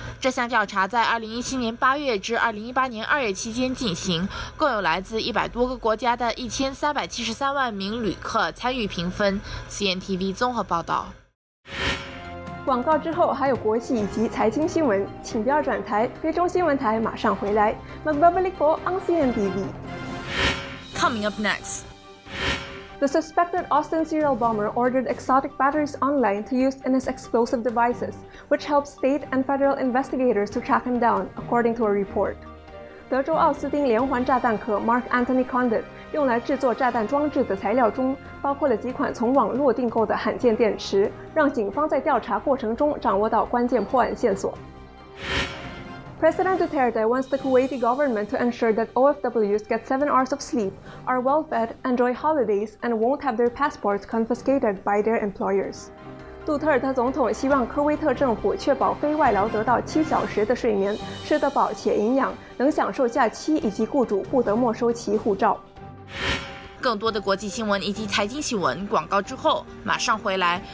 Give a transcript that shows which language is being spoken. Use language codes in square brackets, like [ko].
[zh] 这项调查在2017年8月至2018年2月期间进行，共有来自100多个国家的1373万名旅客参与评分。 CNTV 综合报道。广告之后还有国际以及财经新闻，请不要转台，菲中新闻台马上回来。 [tl] Magbabalikbo on CNTV。 [en] Coming up next. The suspected Austin serial bomber ordered exotic batteries online to use in his explosive devices, which helps state and federal investigators to track him down, according to a report. [zh] 德州奥斯汀连环炸弹客 Mark Anthony Condit 用来制作炸弹装置的材料中包括了几款从网络订购的罕见电池，让警方在调查过程中掌握到关键破案线索。 [en] President Duterte wants the Kuwaiti government to ensure that OFWs get 7 hours of sleep, are well-fed, enjoy holidays, and won't have their passports confiscated by their employers. [zh] 杜特尔特总统希望科威特政府确保非外劳得到7小时的睡眠，吃得饱且营养，能享受假期，以及雇主不得没收其护照。更多的国际新闻以及财经新闻，广告之后马上回来。